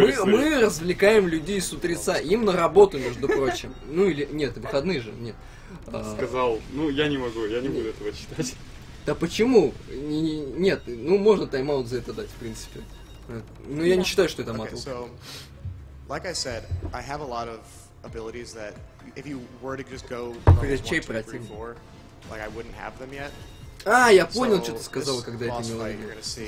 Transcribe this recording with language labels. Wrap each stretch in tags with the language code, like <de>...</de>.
<ru>Мы развлекаем людей с утреца. Им на работу, между прочим. Ну или нет, выходные же, нет. Сказал, ну я не могу, я не буду этого читать. Да почему? Нет, ну можно тайм-аут за это дать, в принципе. Но я не считаю, что это мат.</ru> <en>Like I said, I have a lot of abilities that if you were to just go level 1, 2, 3, 4, like I wouldn't have them yet.</en> <ru>А, я понял, что ты сказал, когда я это</ru>